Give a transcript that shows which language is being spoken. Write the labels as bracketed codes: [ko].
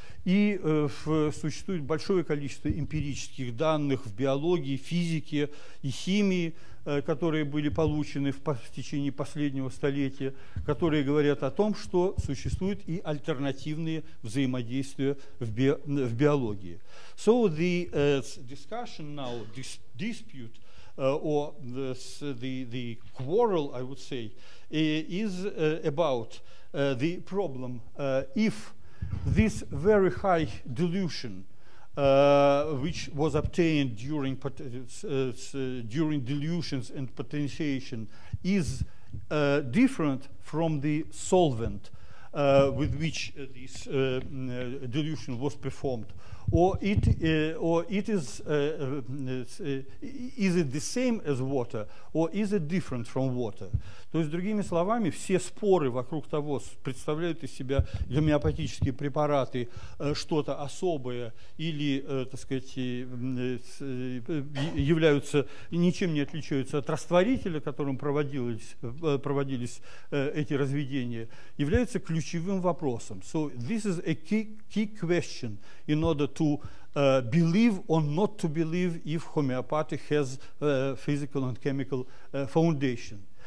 [ru] И существует большое количество эмпирических данных в биологии, физике и химии, которые были получены в течение последнего столетия, которые говорят о том, что существуют и альтернативные взаимодействия в биологии. [en] So the discussion now, this dispute, or the quarrel, I would say, is about the problem if this very high dilution, which was obtained during dilutions and potentiation, is different from the solvent with which this dilution was performed, or is it the same as water, or is it different from water? [ru] То есть, другими словами, все споры вокруг того, представляют из себя гомеопатические препараты что-то особое или, так сказать, являются, ничем не отличаются от растворителя, которым проводились эти разведения, являются ключевым вопросом. [en] So this is a key question in order to believe or not to believe if homeopathy has physical and chemical foundation.